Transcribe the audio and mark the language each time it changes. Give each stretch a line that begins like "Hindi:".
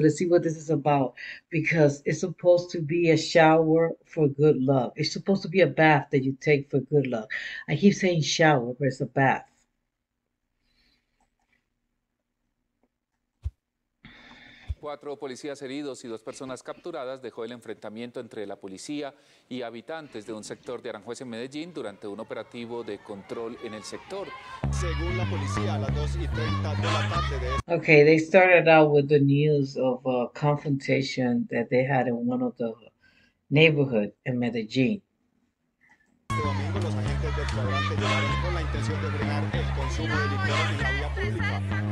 English: Let's see what this is about. Because it's supposed to be a shower for good luck. It's supposed to be a bath that you take for good luck. I keep saying shower, but it's a bath.
Spanish: Cuatro policías heridos y dos personas capturadas dejó el enfrentamiento entre la policía y habitantes de un sector de Aranjuez en Medellín durante un operativo de control en el sector. Según la policía, a las 2:30 de la tarde de
English: Okay, they started out with the news of a confrontation that they had in one of the neighborhoods in Medellín.
Spanish: este domingo, los agentes del cuadrante llegaron con la intención de frenar el consumo de licor en la vía pública.